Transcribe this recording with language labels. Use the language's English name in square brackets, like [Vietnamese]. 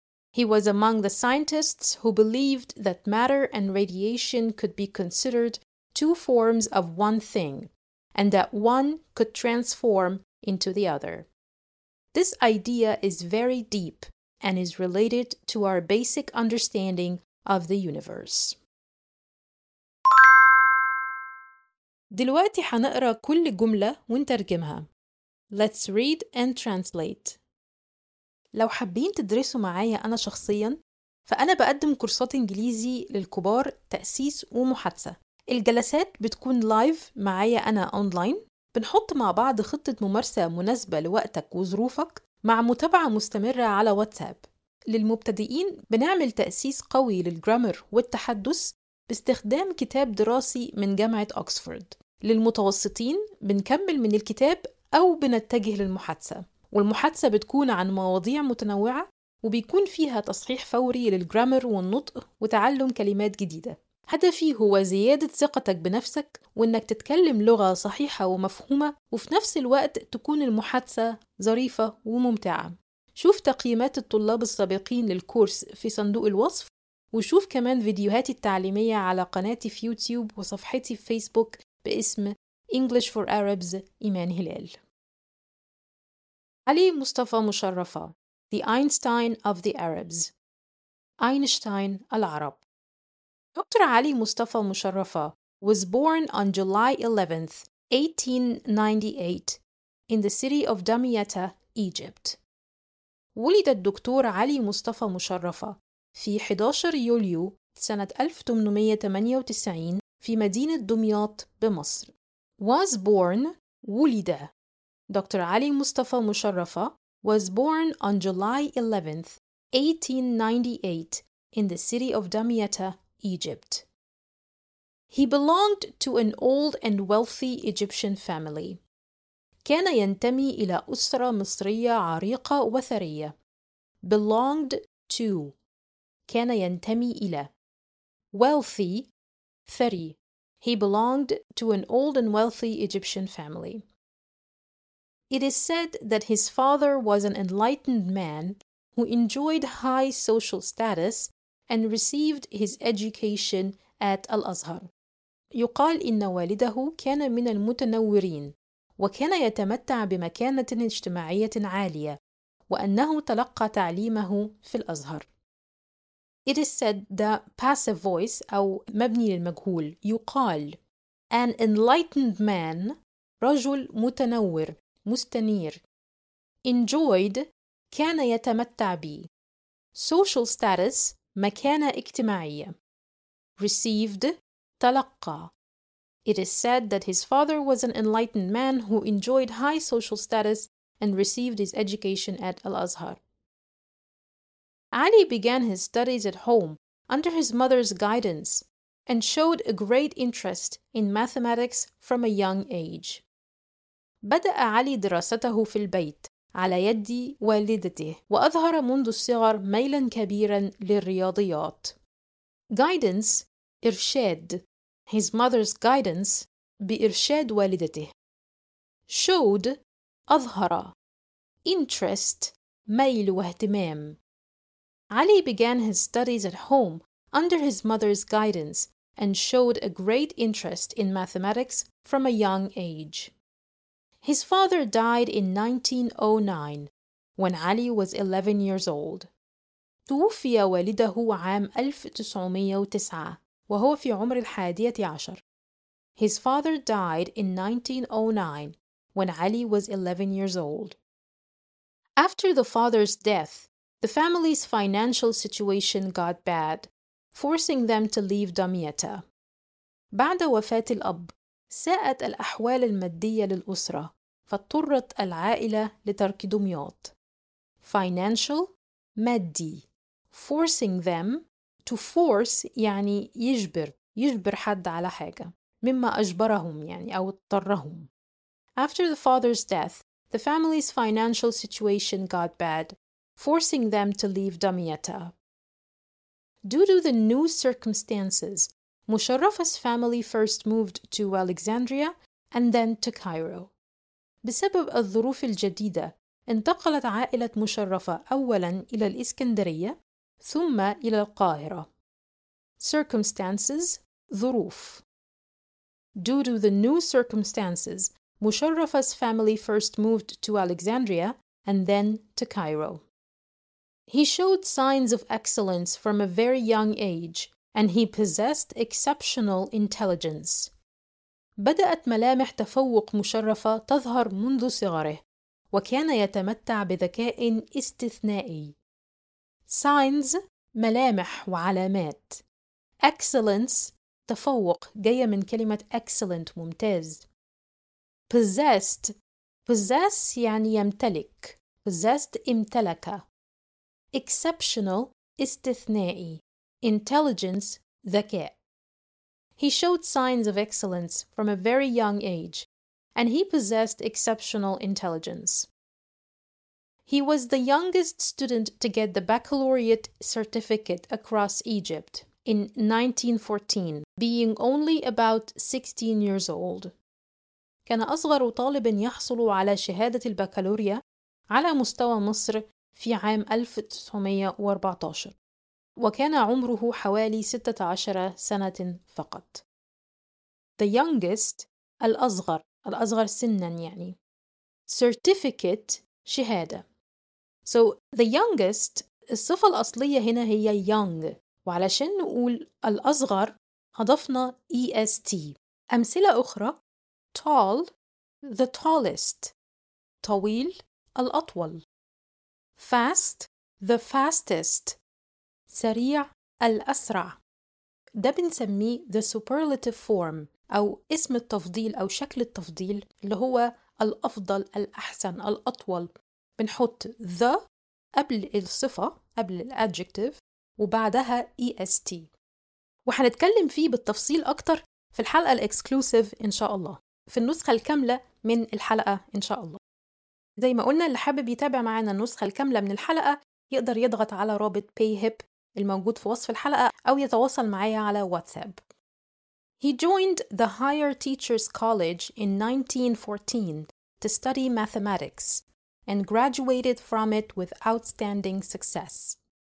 [English] He was among the scientists who believed that matter and radiation could be considered two forms of one thing, and that one could transform into the other. This idea is very deep and is related to our basic understanding of the universe. [Arabic] دلوقتي هنقرأ كل جملة ونترجمها. [English] Let's read and translate. [Arabic] لو حابين تدرسوا معايا أنا شخصياً، فأنا بقدم كورسات إنجليزي للكبار تأسيس ومحادثة. الجلسات بتكون لايف معايا أنا أونلاين، بنحط مع بعض خطة ممارسة مناسبة لوقتك وظروفك مع متابعة مستمرة على واتساب. للمبتدئين بنعمل تأسيس قوي للجرامر والتحدث باستخدام كتاب دراسي من جامعة أكسفورد. للمتوسطين بنكمل من الكتاب أو بنتجه للمحادثة، والمحادثة بتكون عن مواضيع متنوعة وبيكون فيها تصحيح فوري للجرامر والنطق وتعلم كلمات جديدة. هدفي هو زيادة ثقتك بنفسك وإنك تتكلم لغة صحيحة ومفهومة، وفي نفس الوقت تكون المحادثة ظريفة وممتعة. شوف تقييمات الطلاب السابقين للكورس في صندوق الوصف، وشوف كمان فيديوهاتي التعليمية على قناتي في يوتيوب وصفحتي في فيسبوك باسم English for Arabs إيمان هلال. علي مصطفى مشرفة، [English] The Einstein of the Arabs، [Arabic] أينشتاين العرب. [English] Doctor علي مصطفى مشرفة was born on July 11th, 1898 in the city of Damietta, Egypt. [Arabic] ولد الدكتور علي مصطفى مشرفة في 11 يوليو سنة 1898 في مدينة دمياط بمصر. [English] Was born، ولد. Doctor علي مصطفى مشرفة was born on July 11th, 1898 in the city of Damietta, Egypt. He belonged to an old and wealthy Egyptian family. [Arabic] كان ينتمي إلى أسرة مصرية عريقة وثرية. [English] Belonged to. [Arabic] كان ينتمي إلى. Wealthy. ثري. [English] He belonged to an old and wealthy Egyptian family. It is said that his father was an enlightened man who enjoyed high social status and received his education at Al-Azhar. [Arabic] يقال إن والده كان من المتنورين وكان يتمتع بمكانة اجتماعية عالية وأنه تلقى تعليمه في الأزهر. [English] It is said that passive voice [Arabic] أو مبني للمجهول يقال [English] an enlightened man [Arabic] رجل متنور مستنير [English] enjoyed [Arabic] كان يتمتع بي [English] social status [Arabic] مكانة اجتماعية [English] received تلقى. It is said that his father was an enlightened man who enjoyed high social status and received his education at Al-Azhar. Ali began his studies at home under his mother's guidance and showed a great interest in mathematics from a young age. [Arabic] بدأ علي دراسته في البيت على يد والدته وأظهر منذ الصغر ميلا كبيرا للرياضيات. [English] Guidance, إرشاد. His mother's guidance, [Arabic] بإرشاد والدته. [English] Showed, أظهر. [Arabic] Interest, ميل واهتمام. [English] Ali began his studies at home under his mother's guidance and showed a great interest in mathematics from a young age. His father died in 1909 when Ali was 11 years old. [Arabic] توفي والده عام 1909 وهو في عمر الحادية عشر. [English] His father died in 1909 when Ali was 11 years old. After the father's death, the family's financial situation got bad, forcing them to leave Damietta. [Arabic] بعد وفاة الأب، ساءت الأحوال المادية للأسرة، فاضطرت العائلة لترك دمياط. [English] Financial، مادي. Forcing them، to force [Arabic] يعني يجبر، يجبر حد على حاجة، مما أجبرهم يعني أو اضطرهم. [English] After the father's death, the family's financial situation got bad, forcing them to leave Damietta. Due to the new circumstances, Musharrafa's family first moved to Alexandria and then to Cairo. [Arabic] بسبب الظروف الجديدة انتقلت عائلة مشرفة أولاً إلى الإسكندرية ثم إلى القاهرة. [English] Circumstances ظروف. Due to the new circumstances, Musharrafa's family first moved to Alexandria and then to Cairo. He showed signs of excellence from a very young age, and he possessed exceptional intelligence. [Arabic] بدأت ملامح تفوق مشرفة تظهر منذ صغره، وكان يتمتع بذكاء استثنائي. Signs ملامح وعلامات. Excellence تفوق جاية من كلمة excellent ممتاز. [English] Possessed possess [Arabic] يعني يمتلك. [English] Possessed امتلك. Exceptional استثنائي. Intelligence ذكاء. He showed signs of excellence from a very young age, and he possessed exceptional intelligence. He was the youngest student to get the baccalaureate certificate across Egypt in 1914, being only about 16 years old. [Arabic] كان أصغر طالب يحصل على شهادة البكالوريا على مستوى مصر في عام 1914، وكان عمره حوالي 16 سنة فقط. [English] The youngest [Arabic] الأصغر، الأصغر سنًا يعني. [English] Certificate شهادة. So the youngest [Arabic] الصفة الأصلية هنا هي young، وعلشان نقول الأصغر أضفنا EST. أمثلة أخرى: [English] tall the tallest [Arabic] طويل الأطول، [English] fast the fastest [Arabic] سريع الأسرع. ده بنسميه [English] the superlative form [Arabic] أو اسم التفضيل أو شكل التفضيل اللي هو الأفضل الأحسن الأطول. بنحط the قبل الصفة قبل الadjective وبعدها EST، وحنتكلم فيه بالتفصيل أكتر في الحلقة الإكسكلوسيف إن شاء الله، في النسخة الكاملة من الحلقة إن شاء الله. زي ما قلنا، اللي حابب يتابع معنا النسخة الكاملة من الحلقة يقدر يضغط على رابط PayHip الموجود في وصف الحلقة أو يتواصل معايا على واتساب. [English] He joined the Higher Teachers College in 1914 to study mathematics and graduated from it with outstanding success.